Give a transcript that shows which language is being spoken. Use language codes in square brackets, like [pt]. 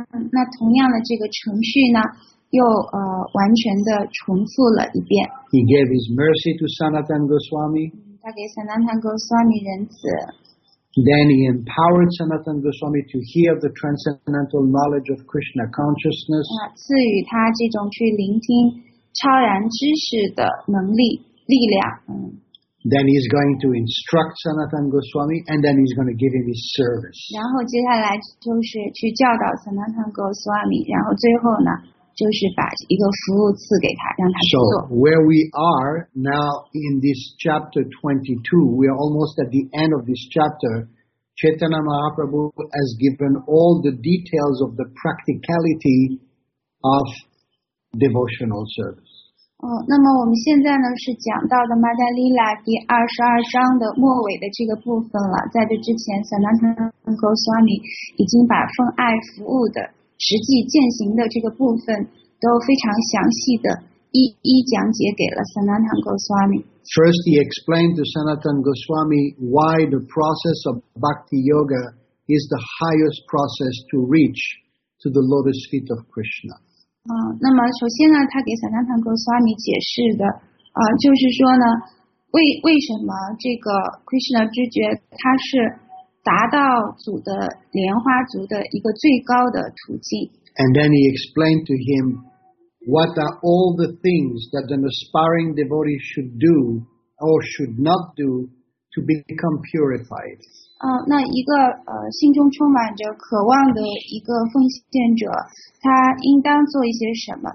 [zh] 那同样的这个程序呢？又完全的重复了一遍。 [en] He gave his mercy to Sanatan Goswami. [zh] 他给 Sanatan Goswami 仁慈。 [en] Then he empowered Sanatan Goswami to hear the transcendental knowledge of Krishna consciousness. [zh] 赐予他这种去聆听超然知识的能力力量。 [en] Then he's going to instruct Sanatan Goswami, and then he's going to give him his service. [zh] 然后接下来就是去教导 Sanatan Goswami, 然后最后呢？就是把一个服务赐给他，让他去做。 [en] So where we are now in this chapter 22, we are almost at the end of this chapter. Chaitanya Mahaprabhu has given all the details of the practicality of devotional service. [zh] 那么我们现在呢是讲到的《玛达丽拉》第二十二章的末尾的这个部分了。在这之前 ，Sanatan Goswami 已经把奉爱服务的。实际践行的这个部分都非常详细的一讲解给了 Sanatan Goswami. [en] First, he explained to Sanatan Goswami why the process of Bhakti Yoga is the highest process to reach to the lotus feet of Krishna. [zh] 那么首先呢，他给 Sanatan Goswami 解释的，就是说呢，为什么这个 Krishna 知觉它是。达到祖的莲花族的一个最高的途径。 [en] And then he explained to him what are all the things that an aspiring devotee should do or should not do to become purified. [zh] 那一个心中充满着渴望的一个奉献者，他应当做一些什么？